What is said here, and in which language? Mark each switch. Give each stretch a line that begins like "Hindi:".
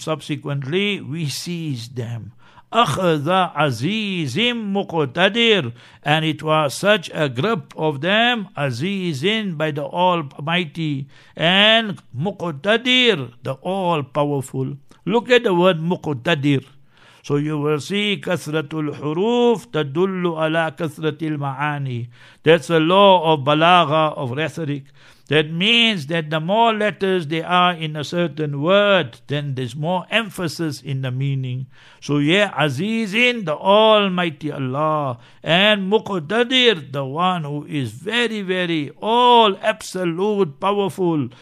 English: Subsequently, we seized them.
Arabic: أَخَذَ عَزِيزٍ مُقْتَدِرٍ.
English: And it was such a grip of them, عَزِيزٍ, by the Almighty, and مُقْتَدِرٍ, the All-Powerful. Look at the word مُقْتَدِر. So you will see
Arabic: كَثْرَةُ الْحُرُوفِ تَدُلُّ عَلَى كَثْرَةِ الْمَعَانِي.
English: That's the law of balagha, of rhetoric. That means that the more letters there are in a certain word, then there's more emphasis in the meaning. So yeah, عَزِيزٍ, the Almighty Allah, and مُقْتَدِر, the one who is very, very all absolute powerful.